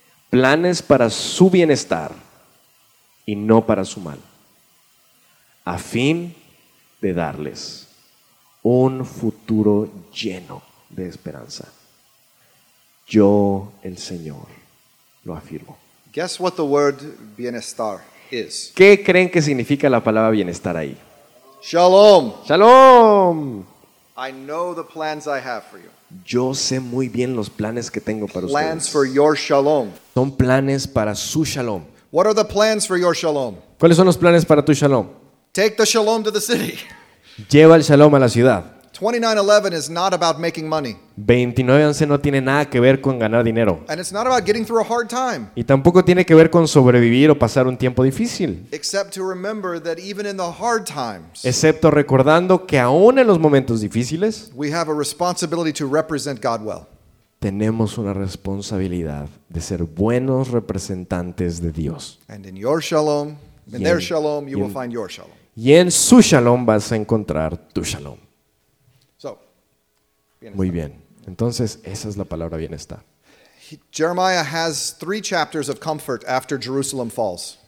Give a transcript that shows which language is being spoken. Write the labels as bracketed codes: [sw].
[es] Planes para su bienestar y no para su mal, a fin de darles un futuro lleno de esperanza. Yo, el Señor, lo afirmo. [en] Guess what the word bienestar is. [es] ¿Qué creen que significa la palabra bienestar ahí? [en] Shalom. [es] Shalom. [en] I know the plans I have for you. [es] Yo sé muy bien los planes que tengo para [en] plans [es] ustedes. [en] Plans for your shalom. [es] Son planes para su shalom. [en] What are the plans for your shalom? [es] ¿Cuáles son los planes para tu shalom? [en] Take the shalom to the city. [es] Lleva el shalom a la ciudad. [en] 29/11 is not about making money. [es] 29/11 no tiene nada que ver con ganar dinero. [en] And it's not about getting through a hard time. [es] Y tampoco tiene que ver con sobrevivir o pasar un tiempo difícil. [en] Except to remember that even in the hard times. [es] Excepto recordando que aún en los momentos difíciles, [en] we have a responsibility to represent God well. [es] Tenemos una responsabilidad de ser buenos representantes de Dios. [en] And in your shalom, in their shalom, you will find your shalom. [es] Y en su shalom vas a encontrar tu shalom. [en] So, [es] muy bien. Entonces, esa es la palabra bienestar. [en] Jeremiah has 3 chapters of comfort after Jerusalem falls.